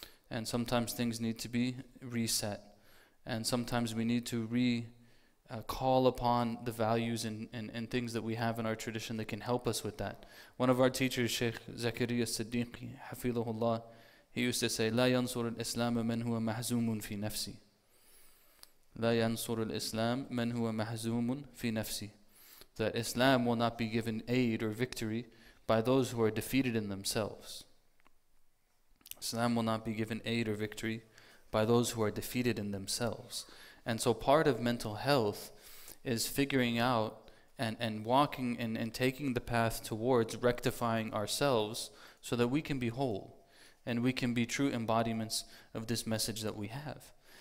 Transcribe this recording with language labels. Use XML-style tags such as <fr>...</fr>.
<en>And sometimes things need to be reset. And sometimes we need to call upon the values and things that we have in our tradition that can help us with that. One of our teachers, Shaykh Zakariya Siddiqui, Hafidhullah, he used to say,</en> <ar>لا ينصر الإسلام من هو مهزوم في نفسي. لا ينصر الإسلام من هو مهزوم في نفسي.</ar> <en>That Islam will not be given aid or victory by those who are defeated in themselves. Islam will not be given aid or victory by those who are defeated in themselves. And so part of mental health is figuring out and walking and taking the path towards rectifying ourselves so that we can be whole and we can be true embodiments of this message that we have.</en>